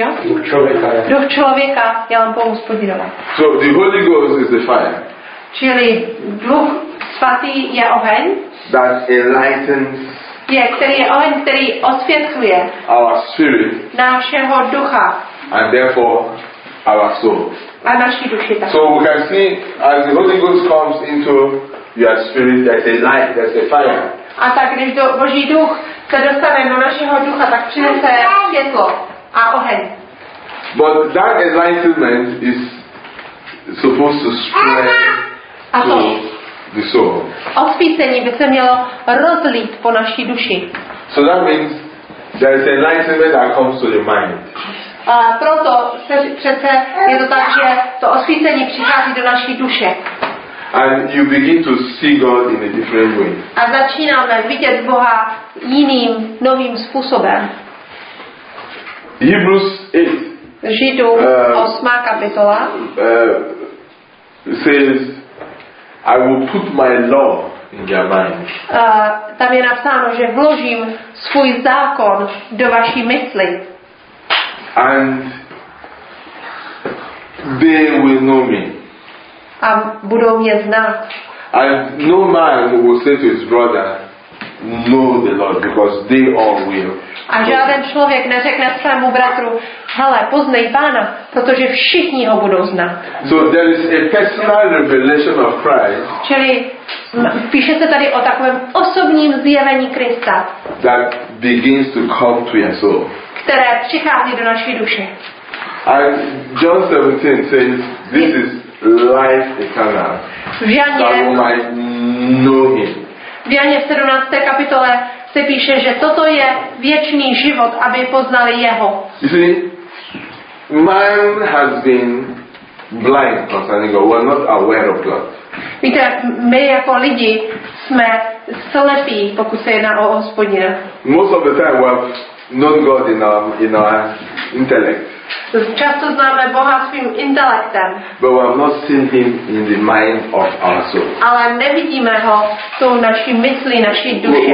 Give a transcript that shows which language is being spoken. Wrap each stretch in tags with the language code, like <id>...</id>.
<cs>duch člověka je lampou Hospodinovou.</cs> <en>So the Holy Ghost is the fire.</en> <cs>Čili duch svatý je oheň.</cs> <en>That enlightens.</en> <cs>Je, který je oheň, který osvětluje.</cs> <en>Our spirit.</en> <cs>Našeho ducha.</cs> <en>And therefore our soul.</en> <cs>A naší duši také.</cs> <en>So we can see as the Holy Ghost comes into your spirit, there's a light, there's a fire.</en> <cs>A tak když Boží duch se dostane do našeho ducha, tak přinese světlo a oheň.</cs> <en>But that enlightenment is supposed to spread to the soul.</en> <cs>Osvícení by se mělo rozlít po naší duši.</cs> <en>So that means there is enlightenment that comes to the mind.</en> <cs>A proto přece je to tak, že to osvícení přichází do naší duše.</cs> <en>And you begin to see God in a different way.</en> <cs>A začínáme vidět Boha jiným, novým způsobem.</cs> <en>Hebrews 8.</en> <cs>Židům 8. kapitola.</cs> <en>Says, I will put my law in your mind.</en> <cs>Tam je napsáno, že vložím svůj zákon do vaší mysli.</cs> <en>And they will know me.</en> <cs>A budou mě znát.</cs> <en>And no man will say to his brother, know the Lord, because they all will.</en> <cs>A žádný člověk neřekne svému bratru, hele, poznej Pána, protože všichni ho budou znát.</cs> <en>So there is a personal revelation of Christ.</en> <cs>Čili píše se tady o takovém osobním zjevení Krista.</cs> <en>That begins to come to your soul.</en> <cs>Které přichází do naší duše.</cs> <en>And John 17 says, this is life eternal.</en> <cs>V Janě,</cs> <en>that we might know him.</en> <cs>V Janě 17. kapitole se píše, že toto je věčný život, aby poznali jeho.</cs> <en>You see, man has been blind concerning God. We are not aware of God.</en> <cs>Víte, my jako lidi jsme slepí, pokud se jedná o Hospodina.</cs> <en>Most of the time we have known God in our intellect.</en> <cs>Často známe Boha svým intelektem.</cs> <en>But we have not seen him in the mind of our soul.</en> <cs>Ale nevidíme ho tou naší myslí, naší duši.</cs>